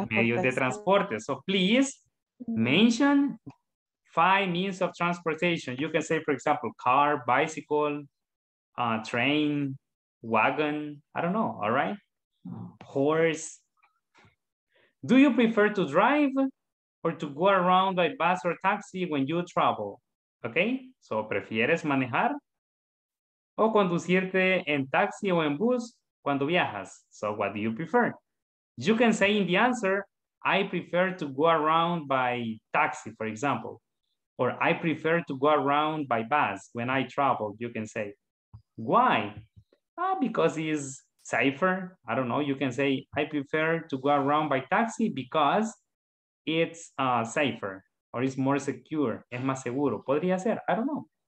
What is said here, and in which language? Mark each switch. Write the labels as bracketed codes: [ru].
[en] Medios de transporte. So please mention 5 means of transportation. You can say, for example, car, bicycle, train, wagon, I don't know, all right? Horse. Do you prefer to drive or to go around by bus or taxi when you travel? [es] Okay, so prefieres manejar o conducirte en taxi o en bus cuando viajas? [en] So what do you prefer? You can say in the answer, I prefer to go around by taxi, for example, or I prefer to go around by bus when I travel. You can say, why? Because it's safer. I don't know. You can say, I prefer to go around by taxi because it's safer or it's more secure. Es más seguro. Podría ser. I don't know.